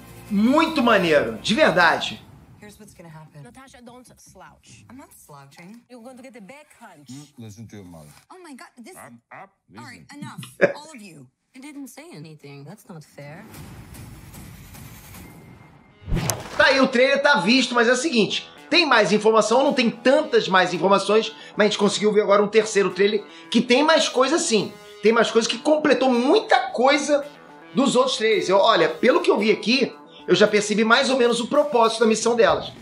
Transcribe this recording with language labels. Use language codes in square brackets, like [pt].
[pt] Muito maneiro, de verdade. [en] Here's what's gonna happen. Natasha, don't slouch. I'm not slouching. You're going to get the back hunch. Listen to your mother. Oh my god, this... Up, all right, enough, all of you. I didn't say anything, that's not fair. [pt] Tá aí, o trailer tá visto, mas é o seguinte. Tem mais informação, não tem tantas mais informações, mas a gente conseguiu ver agora um terceiro trailer que tem mais coisa sim. Tem mais coisa que completou muita coisa dos outros trailers. Olha, pelo que eu vi aqui, eu já percebi mais ou menos o propósito da missão delas.